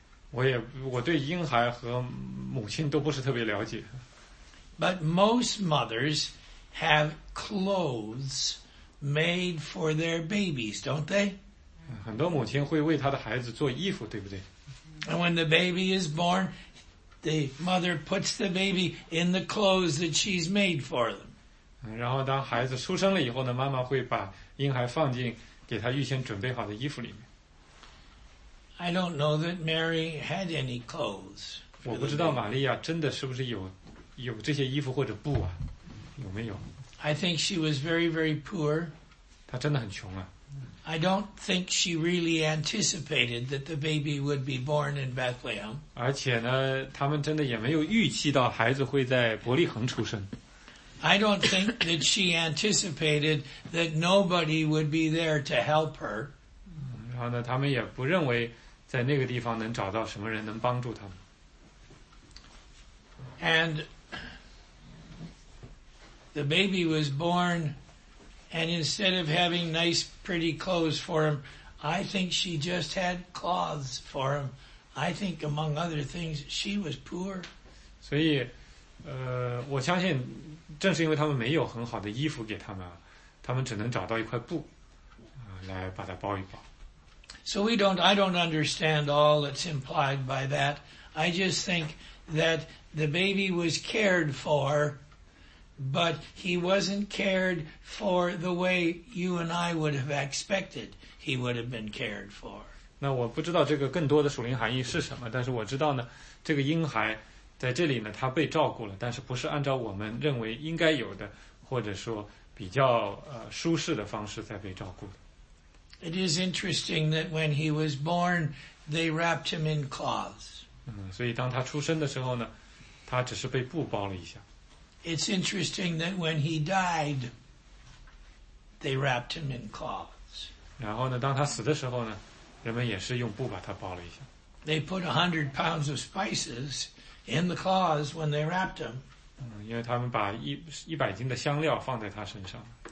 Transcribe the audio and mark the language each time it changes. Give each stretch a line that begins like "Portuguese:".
Chinese: 我对婴孩和母亲都不是特别了解。
English: But most mothers have clothes made for their babies, don't they?
Chinese: 很多母亲会为她的孩子做衣服，对不对？
English: And when the baby is born, the mother puts the baby in the clothes that she's made for them.
Chinese: 然后当孩子出生了以后呢，妈妈会把婴孩放进给他预先准备好的衣服里面。
English: I don't know that Mary had any clothes.
Chinese: 我不知道玛利亚真的是不是有这些衣服或者布啊，有没有？
English: I think she was very, very poor.
Chinese: 她真的很穷啊。
English: I don't think she really anticipated that the baby would be born in Bethlehem.
Chinese: 而且呢，他们真的也没有预期到孩子会在伯利恒出生。
English: I don't think that she anticipated that nobody would be there to help her.
Chinese: 然后呢，他们也不认为在那个地方能找到什么人能帮助他们。
English: And the baby was born, and instead of having nice, pretty clothes for him, I think she just had cloths for him. I think, among other things, she was poor.
Chinese: 所以，我相信，正是因为他们没有很好的衣服给他们，他们只能找到一块布，来把它包一包。
English: So we don't. I don't understand all that's implied by that. I just think that the baby was cared for, but he wasn't cared for the way you and I would have expected he would have been cared for.
Chinese: 那我不知道这个更多的属灵含义是什么，但是我知道呢，这个婴孩在这里呢，他被照顾了，但是不是按照我们认为应该有的，或者说比较舒适的方式在被照顾的。
English: It is interesting that when he was born, they wrapped him in cloths.
Chinese: 所以当他出生的时候呢，他只是被布包了一下。
English: It's interesting that when he died, they wrapped him in cloths.
Chinese: 然后呢，当他死的时候呢，人们也是用布把他包了一下。
English: They put 100 pounds of spices in the cloths when they wrapped him.
Chinese: 因为他们把100斤的香料放在他身上。